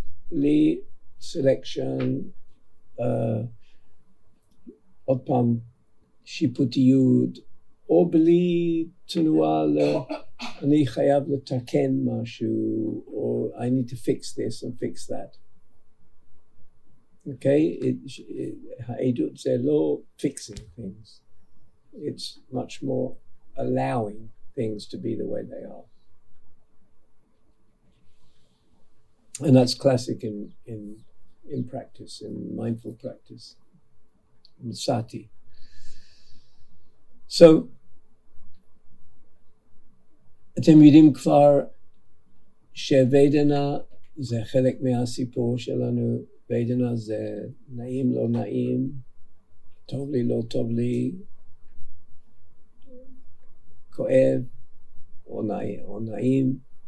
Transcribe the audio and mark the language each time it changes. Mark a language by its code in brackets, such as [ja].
[he] בלי סלקשן, עוד פעם, שיפוטיות, או בלי תנועה, לא, אני חייב לתקן משהו, או [en] I need to fix this and fix that. [he] Okay? העדות זה לא [en] fixing things. It's much more allowing things to be the way they are. And that's classic in practice, in mindful practice, in sati. [he] So, אתם יודעים כבר שוודנה זה חלק מהסיפור שלנו. וודנה זה נעים לא נעים, טוב לי לא טוב לי, כואב או נעים. או נעים.